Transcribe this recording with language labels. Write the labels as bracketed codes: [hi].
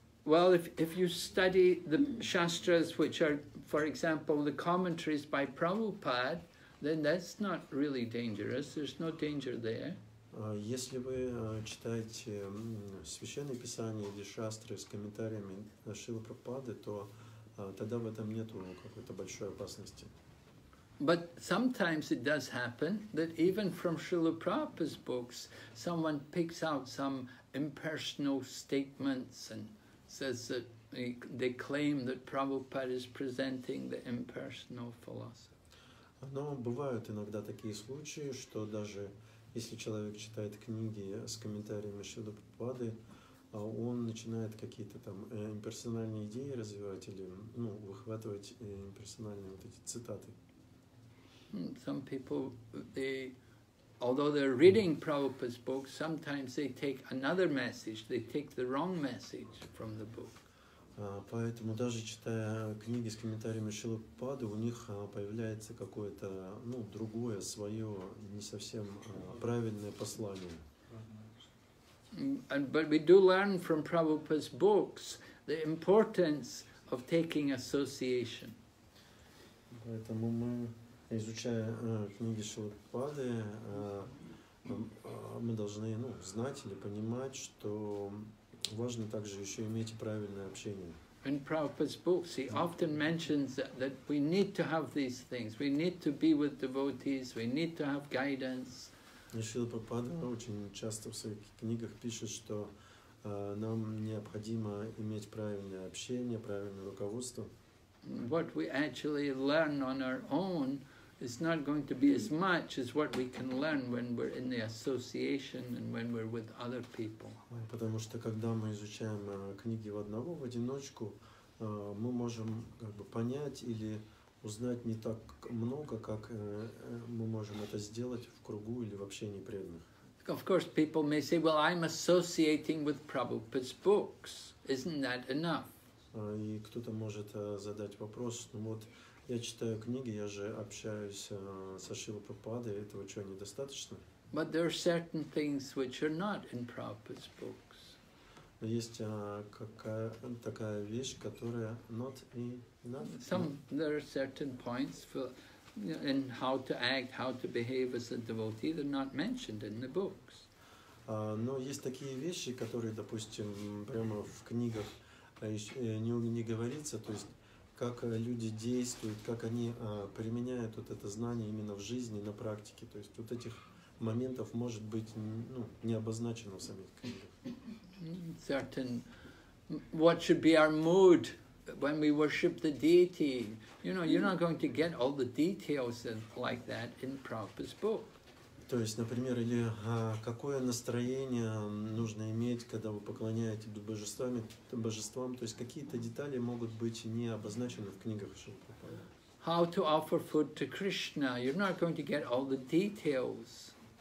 [en] Well, if you study the Shastras, which are, for example, the commentaries by Prabhupada, then that's not really dangerous. There's no danger there. [ru] Если вы читаете священные писания или шастры с комментариями Шрилы Прабхупады, то тогда в этом нету какой-то большой опасности. [en] But sometimes it does happen that even from Srila Prabhupada's books someone picks out some impersonal statements and says that they claim that Prabhupada is presenting the impersonal philosophy. [ru] Но бывают иногда такие случаи, что даже если человек читает книги с комментариями Шрилы Прабхупады, он начинает какие-то там имперсональные идеи развивать или, ну, выхватывать имперсональные вот эти цитаты. [en] Some people, although they're reading Prabhupada's book, sometimes they take another message, they take the wrong message from the book. [ru] Поэтому даже читая книги с комментариями Шрилы Прабхупады, у них появляется какое-то, ну, другое, свое, не совсем правильное послание. [en] But we do learn from Prabhupada's books the importance of taking association. [ru] Поэтому мы, изучая книги Шрилы Прабхупады, мы должны, ну, знать или понимать, что важно также еще иметь правильное общение. [en] In Prabhupada's books, he often mentions that we need to have these things. We need to be with devotees. We need to have guidance. [ru] Шрила Прабхупада очень часто в своих книгах пишет, что нам необходимо иметь правильное общение, правильное руководство. [en] What we actually learn on our own is not going to be as much as what we can learn when we're in the association and when we're with other people. [ru] Потому что когда мы изучаем книги в одного, в одиночку, мы можем как бы понять или узнать не так много, как мы можем это сделать в кругу или в общении преданных. [en] Of course, people may say, well, I'm associating with Prabhupada's books. Isn't that enough? [ru] И кто-то может задать вопрос, ну вот, я читаю книги, я же общаюсь со Шрилой Прабхупадой, этого чего недостаточно? [en] But there are certain things which are not in Prabhupada's books. [ru] Но есть такая вещь, которая [en] not enough. There are certain points for in how to act, how to behave as a devotee, they're not mentioned in the books. [ru] Но есть такие вещи, которые, допустим, прямо в книгах не говорится, то есть как люди действуют, как они применяют вот это знание именно в жизни, на практике. То есть вот этих моментов может быть, ну, не обозначено в самих книгах. [en] Certain what should be our mood when we worship the deity, you know, you're not going to get all the details like that in Prabhupada's book. [ru] То есть, например, или какое настроение нужно иметь, когда вы поклоняетесь божествам, то есть какие-то детали могут быть не обозначены в книгах Шрилы Прабхупады. [en] How to offer food to Krishna? You're not going to get all the details.